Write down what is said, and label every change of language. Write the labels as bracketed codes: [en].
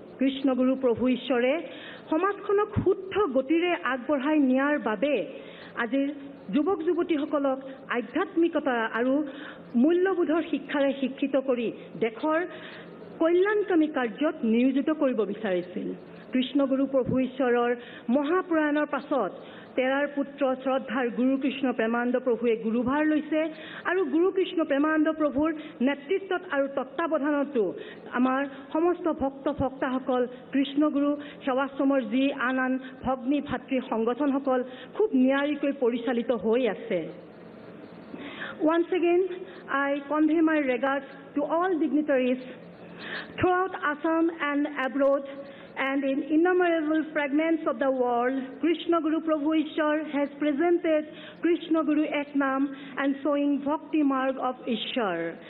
[as] কৃষ্ণগুৰু প্ৰভু ঈশ্বৰে সমাজখনক শুদ্ধ গতিৰে আগবঢ়াই নিয়াৰ বাবে আজিৰ যুৱক যুৱতীসকলক আধ্যাত্মিকতা আৰু মূল্যবোধৰ শিক্ষাৰে শিক্ষিত কৰি দেশৰ কল্যাণকামী কার্যত নিয়োজিত করব বিচাৰিছিল। কৃষ্ণগুরু প্রভু ঈশ্বরের মহাপ্রয়াণের পাছত তেরার পুত্র শ্রদ্ধার গুরুকৃষ্ণ প্রেমানন্দ প্রভুয়ে গুরুভার লৈছে। আর গুরুকৃষ্ণ প্রেমানন্দ প্রভুর নেতৃত্বত আর তত্ত্বাবধানতো আমার সমস্ত ভক্ত ভক্তা সকল, কৃষ্ণগুরু সেবাশ্রমের যি আন আন ভগ্নী ভাতৃ সংগঠন সকল খুব নিয়ারিক পরিচালিত হয়ে আছে। [en] Once again I convey my regards to all dignitaries throughout Assam and abroad and in innumerable fragments of the world, Krishna Guru Prabhu Ishwar has presented Krishna Guru Eknam and showing Bhakti Marg of Ishwar.